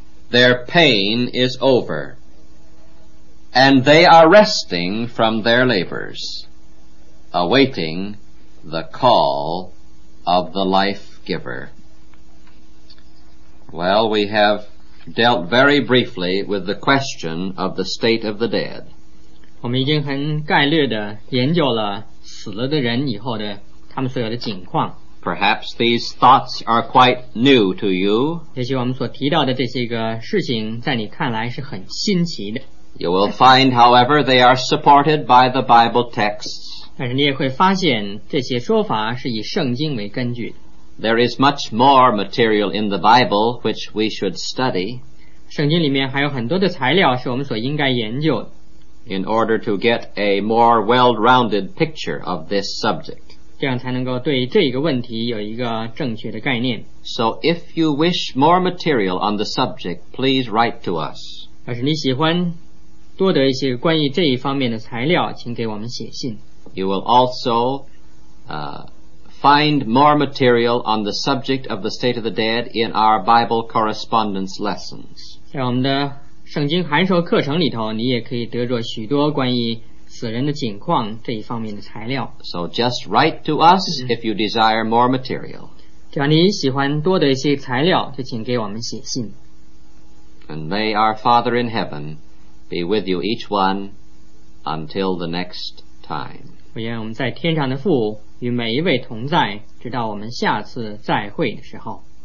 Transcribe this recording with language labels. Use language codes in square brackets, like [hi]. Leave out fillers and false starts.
[en] Their pain is over, and they are resting from their labors, awaiting the call of the life giver. Well, we have dealt very briefly with the question of the state of the dead. [zh] 我们已经很概略地研究了死了的人以后的他们所有的境况。 [en] Perhaps these thoughts are quite new to you. [zh] 也许我们所提到的这些个事情在你看来是很新奇的。 [en] You will find, however, they are supported by the Bible texts. [zh] 但是你也会发现这些说法是以圣经为根据的。 [en] There is much more material in the Bible which we should study. [zh] 圣经里面还有很多的材料是我们所应该研究的。 [en] In order to get a more well-rounded picture of this subject. [zh] 这样才能够对这个问题有一个正确的概念。 [en] So if you wish more material on the subject, please write to us. [zh] 要是你喜欢多得一些关于这一方面的材料，请给我们写信。 [en] You will also, find more material on the subject of the state of the dead in our Bible correspondence lessons. [zh] 在我们的圣经函授课程里头，你也可以得着许多关于死人的境况这一方面的材料。 [en] So just write to us if you desire more material. [zh] 只要你喜欢多的一些材料，就请给我们写信。 [en] And may our Father in heaven be with you each one until the next time. [zh] 我愿我们在天上的父与每一位同在，直到我们下次再会的时候。